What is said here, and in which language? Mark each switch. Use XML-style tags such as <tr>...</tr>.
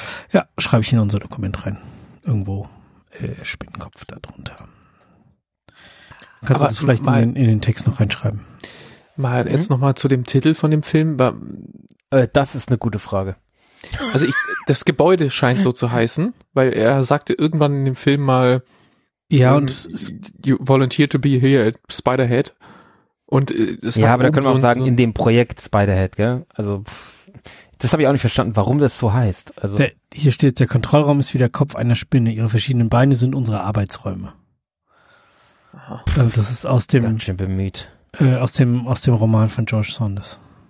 <de>Ja, schreibe ich in unser Dokument rein. Irgendwo Spinnenkopf da drunter. Kannst du das vielleicht in den Text noch reinschreiben? Mal jetzt nochmal zu dem Titel von dem Film. Das ist eine gute Frage. Also das Gebäude scheint so zu heißen, weil er sagte irgendwann in dem Film mal, ja, und</de> <en>you volunteer to be here at Spiderhead.</en> <de>Und ja, aber da können wir auch sagen, in dem Projekt Spiderhead, gell? Also, das habe ich auch nicht verstanden, warum das so heißt. Also hier steht, der Kontrollraum ist wie der Kopf einer Spinne. Ihre verschiedenen Beine sind unsere Arbeitsräume. Das ist aus dem... Ganz schön bemüht. Aus dem Roman von George Saunders.</de>